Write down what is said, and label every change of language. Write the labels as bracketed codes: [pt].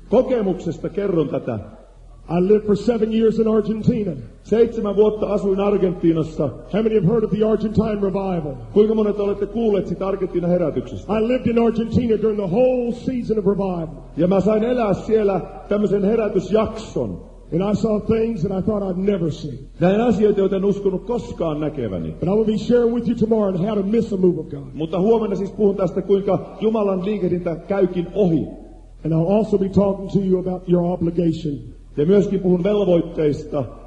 [fi] Kokemuksesta kerron tätä. [en] I lived for 7 years in Argentina. [fi] 7 vuotta asuin Argentiinassa. [en] How many have heard of the Argentine revival? [fi] Kuinka monet olette kuulleet siitä Argentiinan herätyksestä? [en] I lived in Argentina during the whole season of revival. [fi] Ja mä sain elää siellä tämmöisen herätysjakson. [en] And I saw things that I thought I'd never see. [fi] Näin asioita, joita en uskonut koskaan näkeväni. [en] But I will be sharing with you tomorrow on how to miss a move of God. [fi] Mutta huomenna siis puhun tästä, kuinka Jumalan liikehdintä käykin ohi. [en] And I'll also be talking to you about your obligation. [fi] Ja myöskin puhun velvoitteista